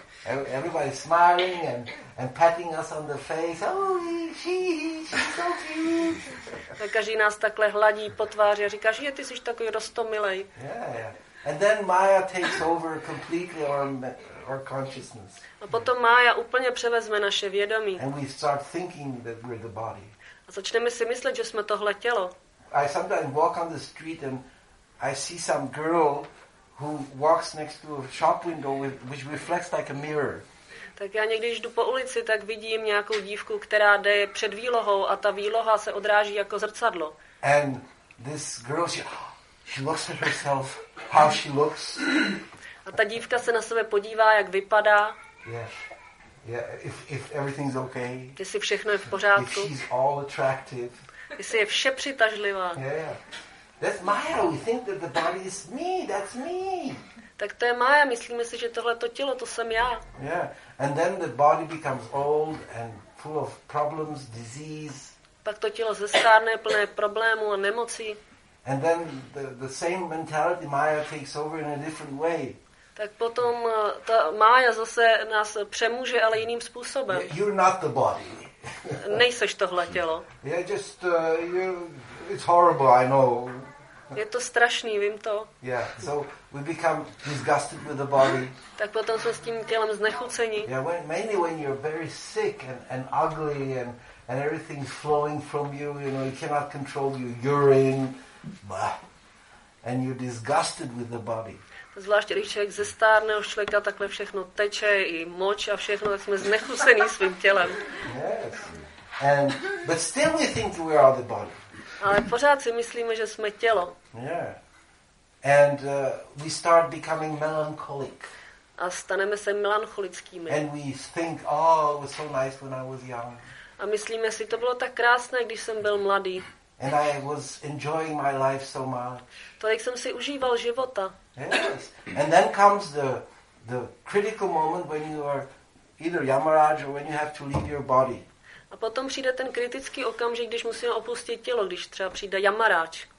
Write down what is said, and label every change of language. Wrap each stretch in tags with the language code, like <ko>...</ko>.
<en>Everybody smiling and patting us on the face. Oh, she's so cute.</en> <cs>Každý nás takhle hladí po tváři a říká, že ty jsi takový roztomilej.</cs> <en>Yeah. And then Maya takes over completely our consciousness.</en> <cs>A potom Maya úplně převezme naše vědomí.</cs> <en>And we start thinking that we're the body.</en> <cs>A začneme si myslet, že jsme tohle tělo.</cs> <en>I sometimes walk on the street and I see some girl who walks next to a shop window which reflects like a mirror.</en> <cs>Tak já někdy, když jdu po ulici, tak vidím nějakou dívku, která jde před výlohou a ta výloha se odráží jako zrcadlo.</cs> <en>And this girl, she looks at herself, how she looks.</en> <cs>A ta dívka se na sebe podívá, jak vypadá.</cs> <en>Yes. Yeah, if everything's okay.</en> <cs>Jestli všechno je v pořádku.</cs> <en>If she's all attractive.</en> <cs>Jestli je vše přitažlivá.</cs> <en>Yeah. That's Maya. We think that the body is me. That's me.</en> <cs>Tak to je Maya. Myslíme si, že tohle to tělo, to jsem já.</cs> <en>Yeah. And then the body becomes old and full of problems, disease.</en> <cs>Pak to tělo zestárne, plné problémů a nemocí.</cs> <en>And then the same mentality Maya takes over in a different way.</en> <cs>Tak potom ta Maya zase nás přemůže, ale jiným způsobem.</cs> <en>You're not the body.</en> <cs>Nejseš tohle tělo.</cs> <en>Yeah, just you. It's horrible, I know.</en> <cs>Je to strašný, vím to.</cs> <en>Yeah, so we become disgusted with the body.</en> <cs>Tak potom jsme s tím tělem znechucení.</cs> <en>Yeah, mainly when you're very sick and ugly and everything's flowing from you, you know, you cannot control your urine, blah, and you're disgusted with the body.</en> <cs>Zvláště když člověk ze stárného člověka takhle všechno teče i moč a všechno, tak jsme znechucení svým tělem.</cs> <en>Yes, and but still we think we are the body.</en> <cs>Ale pořád si myslíme, že jsme tělo.</cs> <en>Yeah. And we start becoming melancholic.</en> <cs>A staneme se melancholickými.</cs> <en>And we think, oh, it was so nice when I was young.</en> <cs>A myslíme si, to bylo tak krásné, když jsem byl mladý.</cs> <en>And I was enjoying my life so much.</en> <cs>To jak jsem si užíval života.</cs> <en>Yes. And then comes the critical moment when you are either Yamaraj or when you have to leave your body.</en> <cs>A potom přijde ten kritický okamžik, když musíme opustit tělo, když třeba přijde Yamaráč.</cs>